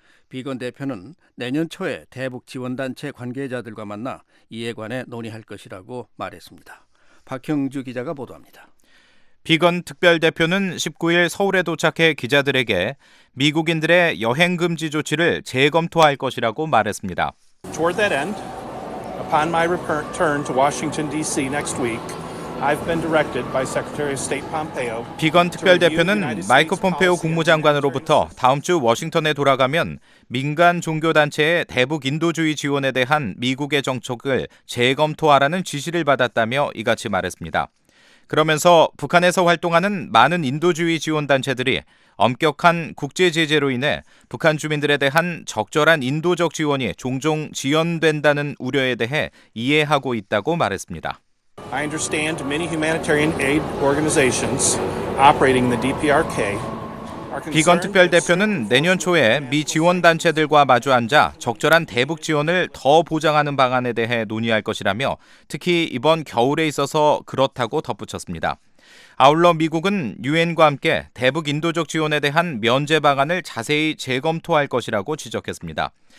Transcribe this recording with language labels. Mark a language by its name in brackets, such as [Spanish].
[Korean] 비건 대표는 내년 초에 대북지원단체 관계자들과 만나 이에 관해 논의할 것이라고 말했습니다. 박형주 기자가 보도합니다. 비건 특별대표는 19일 서울에 도착해 기자들에게 미국인들의 여행 금지 조치를 재검토할 것이라고 말했습니다. [English] Toward that end, upon my return to Washington, D.C. next week, I've been directed by Secretary of State Pompeo. [Korean] 비건 특별 대표는 마이크 폼페오 국무장관으로부터 다음 주 워싱턴에 돌아가면 민간 종교 단체의 대북 인도주의 지원에 대한 미국의 정책을 재검토하라는 지시를 받았다며 이같이 말했습니다. 그러면서 북한에서 활동하는 많은 인도주의 지원 단체들이 엄격한 국제 제재로 인해 북한 주민들에 대한 적절한 인도적 지원이 종종 지연된다는 우려에 대해 이해하고 있다고 말했습니다. [English] I understand many humanitarian aid organizations operating the DPRK. [Korean] 비건 특별대표는 내년 초에 미 지원단체들과 마주앉아 적절한 대북 지원을 더 보장하는 방안에 대해 논의할 것이라며 특히 이번 겨울에 있어서 그렇다고 덧붙였습니다. 아울러 미국은 유엔과 함께 대북 인도적 지원에 대한 면제 방안을 자세히 재검토할 것이라고 지적했습니다.